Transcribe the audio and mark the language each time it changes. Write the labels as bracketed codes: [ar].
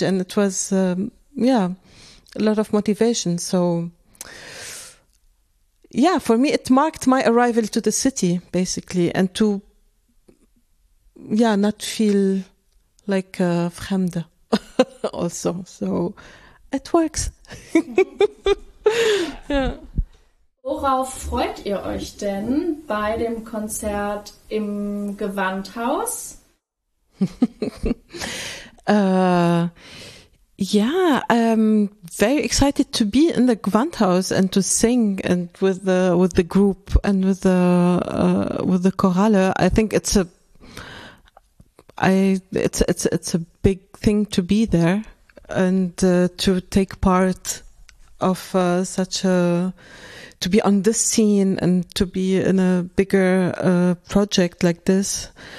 [en] And it was, a lot of motivation. So yeah, for me, it marked my arrival to the city basically and to, yeah, not feel like a fremde also. So it works. Yeah. [de] Worauf freut ihr euch denn bei dem Konzert im Gewandhaus? [en] Very excited to be in the Gewandhaus and to sing and with the group and with the chorale. I think it's a big thing to be there and to take part of such a, to be on this scene and to be in a bigger project like this.